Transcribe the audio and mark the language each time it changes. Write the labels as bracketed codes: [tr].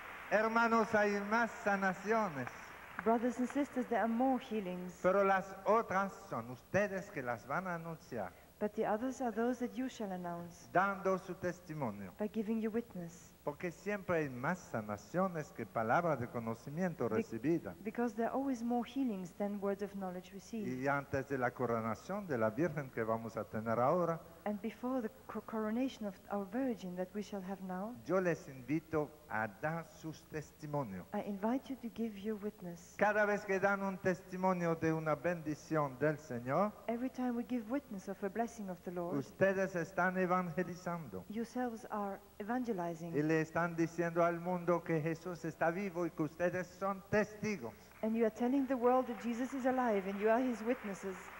[es] Hermanos, hay más sanaciones. [en] Brothers and sisters, there are more healings. [es] Pero las otras son ustedes que las van a anunciar. [en] But the others are those that you shall announce. [es] Dando su testimonio. [en] By giving you witness. [es] Porque siempre hay más sanaciones que palabras de conocimiento recibidas. [en] Because there are always more healings than words of knowledge received. [es] Y antes de la coronación de la Virgen que vamos a tener ahora. [en] And before the coronation of our Virgin that we shall have now. [es] Yo les invito a dar sus testimonios. [en] I invite you to give your witness. [es] Cada vez que dan un testimonio de una bendición del Señor. [en] Every time we give witness of a blessing of the Lord. [es] Ustedes están evangelizando. [en] Yourselves are evangelizing. [es] Y le están diciendo al mundo que Jesús está vivo y que ustedes son testigos. [en] And you are telling the world that Jesus is alive and you are his witnesses.